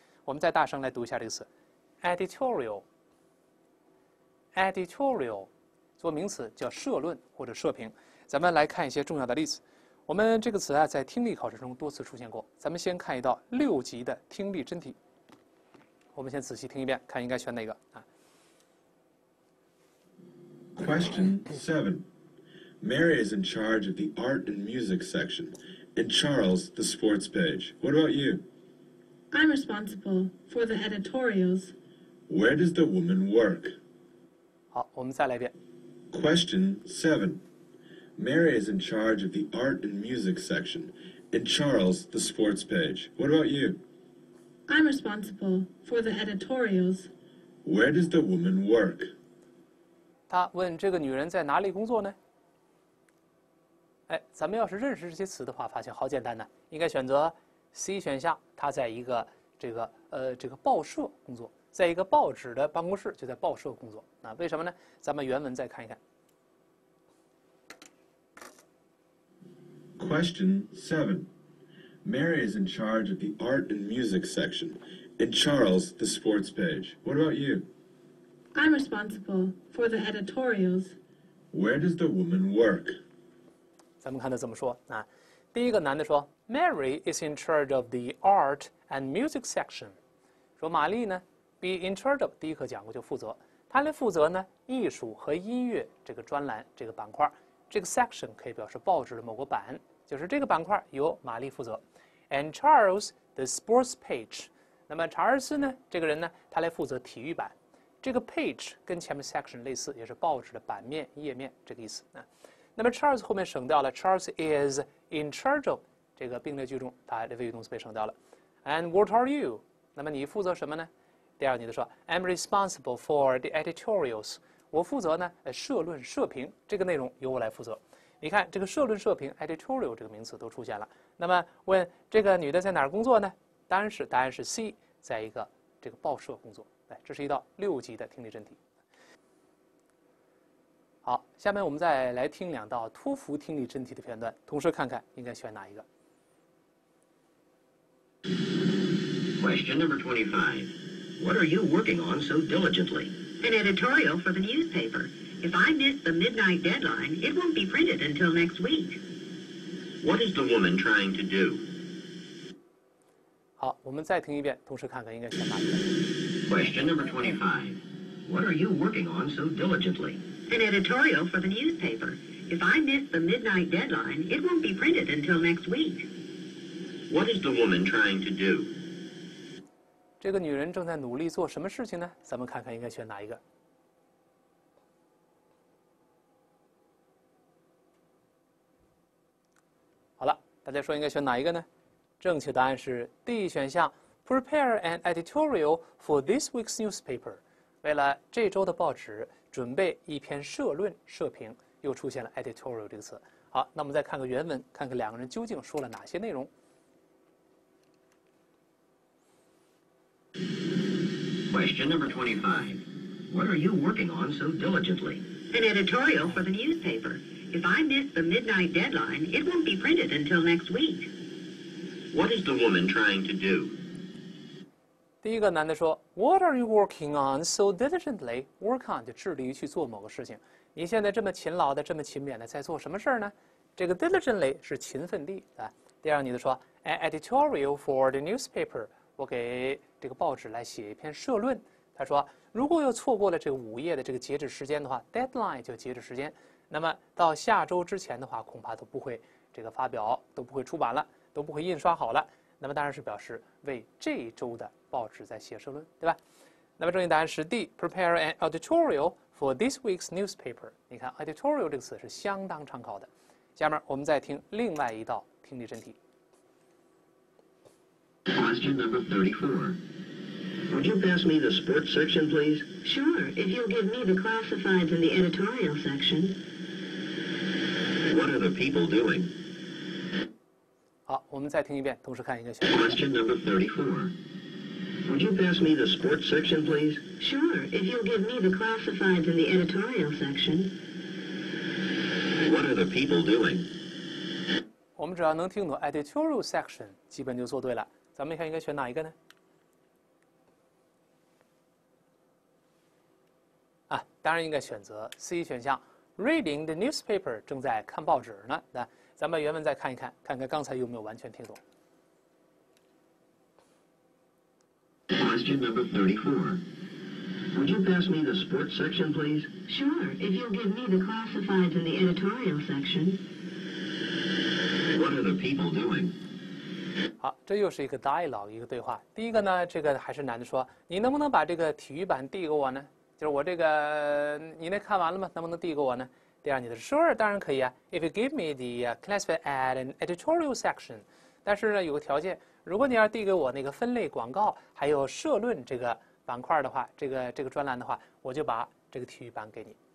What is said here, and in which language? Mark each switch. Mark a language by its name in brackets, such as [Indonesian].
[Chinese] 我们再大声来读一下这个词 ，editorial。editorial， 做名词叫社论或者社评。咱们来看一些重要的例子。我们这个词啊，在听力考试中多次出现过。咱们先看一道六级的听力真题。我们先仔细听一遍，看应该选哪个啊 [English] ？Question seven. Mary is in charge of the art and music section, and Charles the sports page. What about you? I'm responsible for the editorials. Where does the woman work? [Chinese] 好，我们再来一遍。 [English] Question seven. Mary is in charge of the art and music section, and Charles the sports page. What about you? I'm responsible for the editorials. Where does the woman work? [Chinese] 他问这个女人在哪里工作呢？哎，咱们要是认识这些词的话，发现好简单呢。应该选择 C 选项，她在一个这个报社工作，在一个报纸的办公室，就在报社工作。那为什么呢？咱们原文再看一看。 [English] Question seven. Mary is in charge of the art and music section, and Charles the sports page. What about you? I'm responsible for the editorials. Where does the woman work? [Chinese] 咱们看他怎么说啊？第一个男的说 [English] ，Mary is in charge of the art and music section. [Chinese] 说玛丽呢 ， [English] be in charge of [Chinese] 第一课讲过就负责，她来负责呢艺术和音乐这个专栏这个板块，这个 section 可以表示报纸的某个版。就是这个板块由玛丽负责 ， [English] and Charles the sports page。 [Chinese] 那么查尔斯呢？这个人呢？他来负责体育版。这个 page 跟前面 section 类似，也是报纸的版面页面这个意思。那么 Charles 后面省掉了 ， [English] Charles is in charge of [Chinese] 这个并列句中，它的谓语动词被省掉了。 [English] And what are you？ [Chinese] 那么你负责什么呢？第二，你的说 [English] ，I'm responsible for the editorials。 [Chinese] 我负责呢，社论社评这个内容由我来负责。你看这个社论社评 editorial 这个名词都出现了，那么问这个女的在哪儿工作呢？答案是 C， 在一个这个报社工作。来，这是一道六级的听力真题。好，下面我们再来听两道托福听力真题的片段，同时看看应该选哪一个。 [English] Question number 25. What are you working on so diligently? An editorial for the newspaper. If I miss the midnight deadline, it won't be printed until next week. What is the woman trying to do? [Chinese] 好，我们再听一遍，同时看看应该选哪一个。 [English] Question number 25. What are you working on so diligently? An editorial for the newspaper. If I miss the midnight deadline, it won't be printed until next week. What is the woman trying to do? [Chinese] 这个女人正在努力做什么事情呢？咱们看看应该选哪一个。大家说应该选哪一个呢？正确答案是 D 选项 [English] ，Prepare an editorial for this week's newspaper。 [Chinese] 为了这周的报纸，准备一篇社论社评，又出现了 editorial 这个词。好，那我们再看个原文，看看两个人究竟说了哪些内容。 [English] Question number 25. What are you working on so diligently? An editorial for the newspaper. If I miss the midnight deadline, it won't be printed until next week. What is the woman trying to do? [Chinese] 第一个男的说 [English] ，What are you working on so diligently? [Chinese] Work on 就致力于去做某个事情。你现在这么勤劳的、这么勤勉的在做什么事呢？这个 diligently 是勤奋地啊。第二个女的说 [English] ，An editorial for the newspaper. [Chinese] 我给这个报纸来写一篇社论。她说，如果要错过了这个午夜的这个截止时间的话 ，deadline 就截止时间。那么到下周之前的话，恐怕都不会这个发表，都不会出版了，都不会印刷好了。那么当然是表示为这一周的报纸在写社论，对吧？那么正确答案是 D， [English] prepare an editorial for this week's newspaper。 [Chinese] 你看 editorial 这个词是相当常考的。下面我们再听另外一道听力真题。 [English] Question number 34. Would you pass me the sports section, please? Sure, if you'll give me the classifieds in the editorial section. What are the people doing? [Chinese] 好，我们再听一遍，同时看一个选。 [English] Question number 34. Would you pass me the sports section, please? Sure, if you'll give me the classifieds in the editorial section. What are the people doing? [Chinese] 我们只要能听懂 editorial section， 基本就做对了。咱们看应该选哪一个呢？啊，当然应该选择 C 选项 ， [English] reading the newspaper， [Chinese] 正在看报纸呢。来，咱们原文再看一看，看看刚才有没有完全听懂。 [English] Question number 34. Would you pass me the sports section, please? Sure, if you'll give me the classifieds in the editorial section. What are the people doing? [Chinese] 好，这又是一个 dialogue， 一个对话。第一个呢，这个还是男的说，你能不能把这个体育版递给我呢？就是我这个，你那看完了吗？能不能递给我呢？第二，你的 sure， 当然可以啊。 [English] If you give me the classified ad and editorial section， [Chinese] 但是呢，有个条件，如果你要递给我那个分类广告还有社论这个板块的话，这个专栏的话，我就把这个体育版给你。